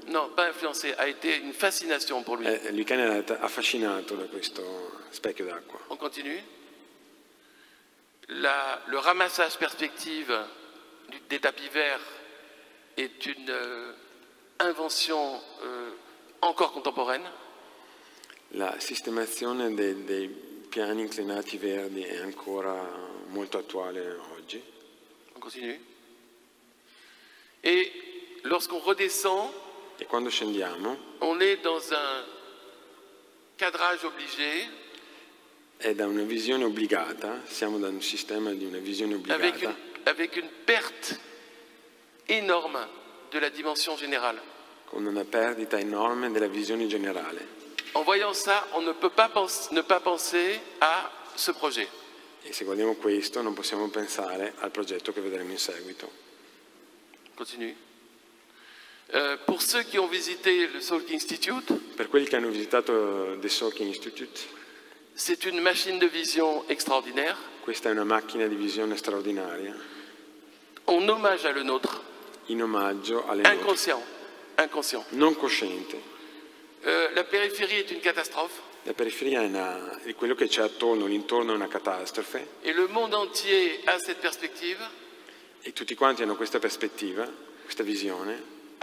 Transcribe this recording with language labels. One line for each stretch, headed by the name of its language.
French: No, pas influencé, a été une fascination pour lui.
Italian: Louis Kahn era affascinato da questo specchio d'acqua.
French: On continue. Le ramassage perspective des tapis verts est une invention encore contemporaine.
Italian: La sistemazione dei piani inclinati verdi è ancora molto attuale oggi.
French: On continue. Et lorsqu'on redescend,
Italian: et quando scendiamo,
French: on est dans un cadrage obligé.
Italian: È da una visione obbligata. Siamo da un sistema di una visione obbligata.
French: Avec une perte énorme de la dimension générale.
Italian: Con una perdita enorme della visione generale.
French: En voyant ça, on ne peut pas ne pas penser à ce projet.
Italian: Et se guardiamo questo, non possiamo pensare al progetto che vedremo in seguito.
French: Continue. Pour ceux qui ont visité le Salk Institute,
Italian: per quelli che hanno visitato The Salk Institute,
French: c'est une machine de vision extraordinaire.
Italian: Questa è una macchina di visione straordinaria.
French: En hommage à le nôtre.
Italian: In omaggio alle
French: inconscient. Nôtre. Inconscient.
Italian: Non cosciente.
French: La périphérie est une catastrophe.
Italian: La periferia è quello che c'è attorno, l'intorno è una catastrofe.
French: Et le monde entier a cette perspective.
Italian: E tutti quanti hanno questa prospettiva, questa visione.